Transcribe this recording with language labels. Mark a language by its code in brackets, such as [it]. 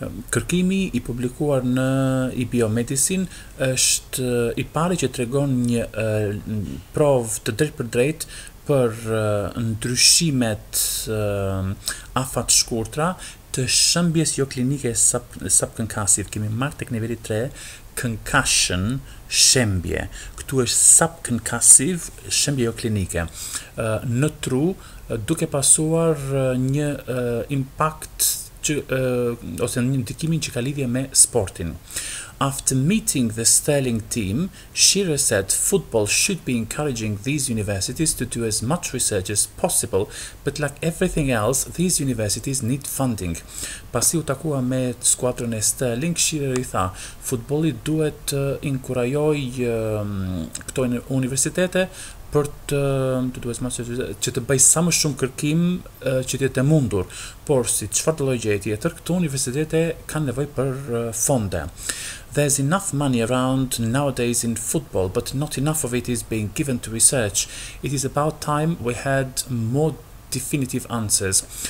[sq] Kërkimi i publikuar në EBO Medicine është i pari që tregon një provë të drejtë për drejtë për ndryshimet afat shkurtra të shëmbjes jo klinike subconcussive, kemi marrë tek nivelli 3, concussion, shëmbje. Këtu është subconcussive, shëmbje jo klinike. Në tru, duke pasuar një impact që, ose një ndikimin që ka lidhje me sportin. [en] After meeting the Sterling team, Shearer said football should be encouraging these universities to do as much research as possible, but like everything else, these universities need funding. [sq] Pasi u takua me skuadrën e Sterling, Shearer i tha, futbolli duhet inkurajoj këto universitete për të duhet më që të bëj sa më shumë kërkim që të jetë mundur, por si çfarë lloj gjeje tjetër, këto universitete kanë nevojë për fonde. [en] There's enough money around nowadays in football, but not enough of it is being given to research. It is about time we had more definitive answers.